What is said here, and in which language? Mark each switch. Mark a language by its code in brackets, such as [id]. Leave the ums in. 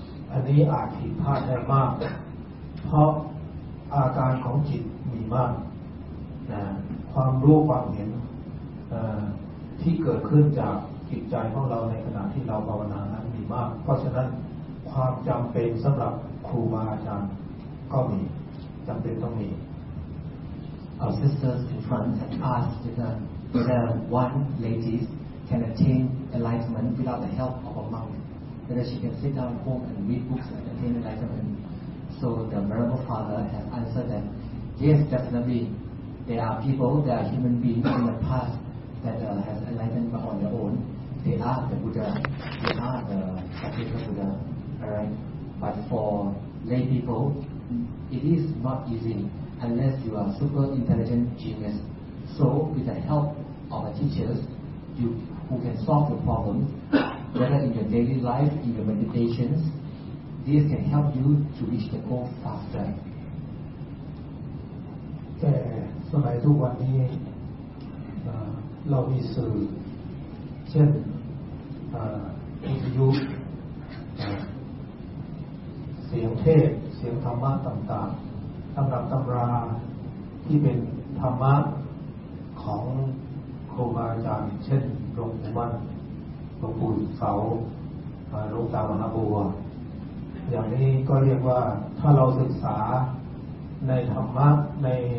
[th] อันนี้อาจผิดพลาดได้มาก เพราะอาการของจิตมีมากนะความรู้ความเห็นเอ่อที่เกิดขึ้นจากจิตใจของเราในขณะที่เราภาวนานั้นมีมาก เพราะฉะนั้นความจำเป็นสำหรับครูบาอาจารย์ก็มีจำเป็นต้องมี [en] Our sisters in front had asked whether, whether one lady can attain enlightenment without the help of a monk, whether she can sit down at home and read books and attain enlightenment. So the Venerable Father has answered that, yes, definitely, there are people, there are human beings in the past that uh, has enlightened but on their own. They are the Buddha, they are the particular Buddha, alright? But for lay people, it is not easy unless you are super intelligent genius. So with the help of our teachers, you who can solve the problem, whether in your daily life, in your meditations, this can help you to reach the goal faster. [th] แต่สมัยทุกวันนี้เอ่อเรามีสื่อ เช่นเอ่อวิทยุเอ่อ เสียงเทศน์เสียงธรรมะต่างๆตำรับตำราที่เป็นธรรมะของครูบาอาจารย์ เช่นหลวงปู่วันหลวงปู่เสาเอ่อหลวงตามหาบัว อย่างนี้ก็เรียกว่าถ้าเราศึกษาในธรรมะใน